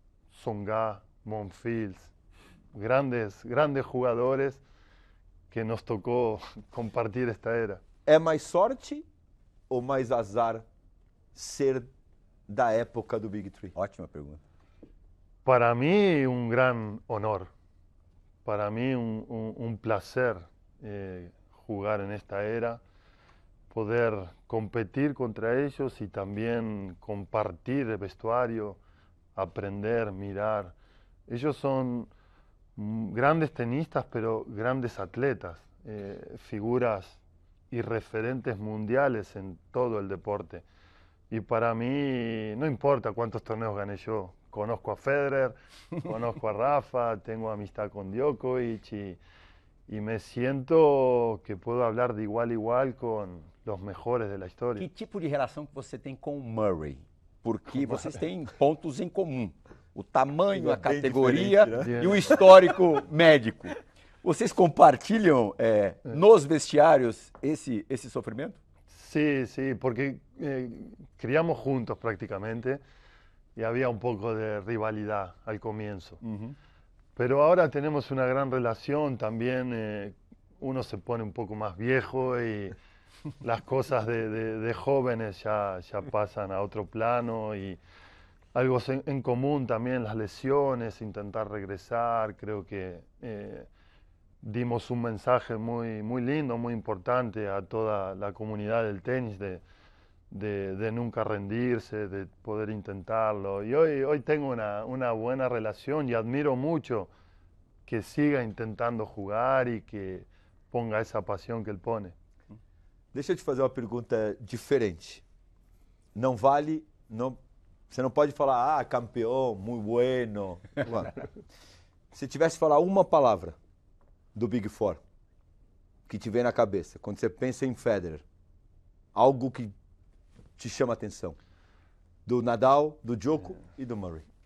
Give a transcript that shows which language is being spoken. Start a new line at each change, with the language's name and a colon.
Spanish: Tsonga, Monfils, grandes jugadores que nos tocó compartir esta era.
Portuguese: É mais sorte ou mais azar ser da época do Big Three? Ótima pergunta. Para mim, um grande honor. Para mim, um prazer jogar nesta era, poder competir contra eles e também compartilhar o vestuário, aprender, mirar. Eles são grandes tenistas, mas grandes atletas,
Spanish: figuras y referentes mundiales en todo el deporte. Y para mí, no importa cuántos torneos gané yo, conozco a Federer, conozco a Rafa, tengo amistad con Djokovic y me siento que puedo hablar de igual a igual con los mejores de la historia. ¿Qué tipo de relación
Portuguese: que você tem com o Murray? Porque vocês têm pontos em comum. O tamanho, a categoria e o histórico médico. Vocês compartilham nos vestiários esse sofrimento? Sim, sim, porque criamos juntos praticamente e havia um pouco de rivalidade ao começo. Mas agora temos uma grande relação também, um se põe um pouco mais viejo e as coisas de jovens já passam a outro plano e algo em comum também, as lesões, tentar regressar,
Spanish: creo que... dimos un mensaje muy, muy lindo, muy importante a toda la comunidad del tenis de nunca rendirse, de poder intentarlo. Y hoy tengo una buena relación y admiro mucho que siga intentando jugar y que ponga esa pasión que él pone.
Portuguese: Deixa eu te fazer uma pergunta diferente. Não vale, não, você não pode falar,
Spanish: campeón, muy bueno.
Portuguese: Se tivesse que falar uma palavra do Big Four, que te vem na cabeça, quando você pensa em Federer, algo que te chama a atenção, do Nadal, do Djoko e do Murray.